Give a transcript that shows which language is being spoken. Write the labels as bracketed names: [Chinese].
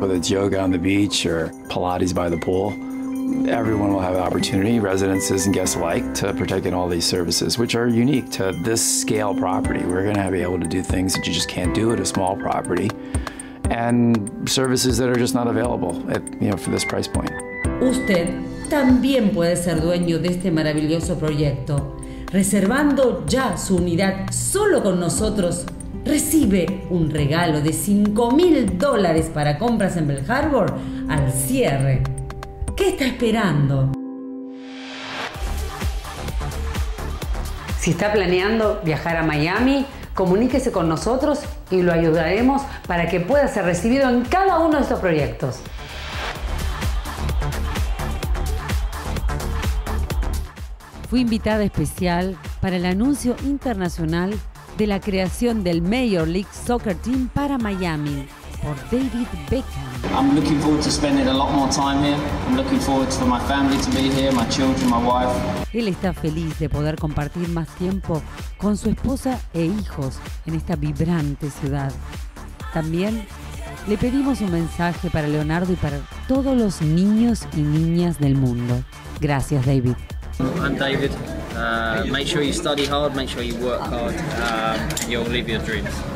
[English] Whether it's yoga on the beach or Pilates by the pool, everyone will have an opportunity, residences and guests alike, to partake in all these services, which are unique to this scale property. We're going to be able to do things that you just can't do at a small property, and services that are just not available at, you know, for this price point. [Spanish] Usted también puede ser dueño de este maravilloso proyecto. Reservando ya su unidad solo con nosotros, recibe un regalo de $5,000 para compras en Bell Harbor al cierre. ¿Qué está esperando? Si está planeando viajar a Miami, comuníquese con nosotros y lo ayudaremos para que pueda ser recibido en cada uno de estos proyectos. Fui invitada especial para el anuncio internacional de la creación del Major League Soccer Team para Miami por David Beckham. [English] I'm looking forward to spending a lot more time here. I'm looking forward for my family to be here, my children, my wife. [Spanish] Él está feliz de poder compartir más tiempo con su esposa e hijos en esta vibrante ciudad. También le pedimos un mensaje para Leonardo y para todos los niños y niñas del mundo. Gracias, David. [English] I'm David. Make sure you study hard, make sure you work hard, and you'll live your dreams.